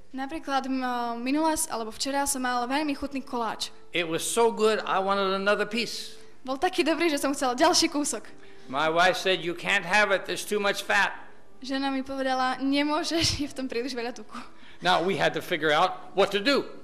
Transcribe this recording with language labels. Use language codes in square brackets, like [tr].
[sk] Napríklad minule alebo včera som mal veľmi chutný koláč. [en] It was so good, I wanted another piece. [sk] Bol taký dobrý, že som chcel ďalší kúsok. [en] My wife said you can't have it, there's too much fat. [sk] Žena mi povedala, nemôžeš, je v tom príliš veľa tuku. [en] Now we had to figure out what to do.